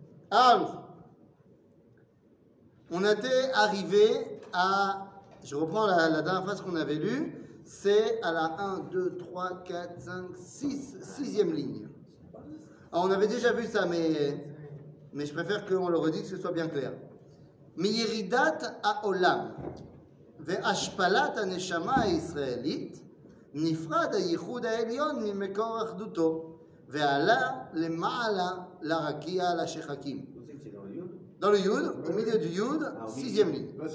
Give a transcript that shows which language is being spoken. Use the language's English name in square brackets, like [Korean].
[French] אז, on était arrivé à, je reprends la dernière phrase qu'on avait lue, c'est à la 1, 2, 3, 4, 5, 6, sixième ligne. Alors, on avait déjà vu ça, mais je préfère qu'on le redise, que ce soit bien clair. [Hebrew] מירידת העולם והשפלת הנשמה הישראלית נפרד הייחוד העליון ממקור אחדותו ועלה למעלה לרקיע על השחקים. [French] Dans le Yud, au milieu du Yud, sixième ligne.